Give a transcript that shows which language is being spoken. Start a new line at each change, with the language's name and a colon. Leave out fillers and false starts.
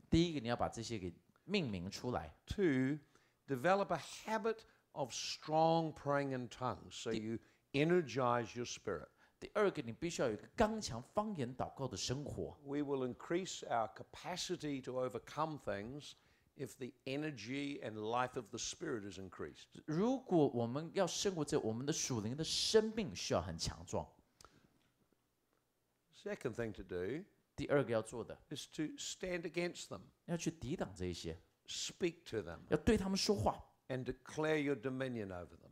Chinese: 第一个，你要把这些给命名出来。
English: Two, develop a habit of strong praying in tongues, so you energize your spirit.
Chinese: 第二个，你必须要有一个刚强方言祷告的生活。
English: We will increase our capacity to overcome things if the energy and life of the spirit is increased.
Chinese: 如果我们要胜过这，我们的属灵的生命需要很强壮。
English: Second thing to do.
Chinese: 第二个要做的
English: is to stand against them,
Chinese: 要去抵挡这些
English: speak to them,
Chinese: 要对他们说话
English: and declare your dominion over them,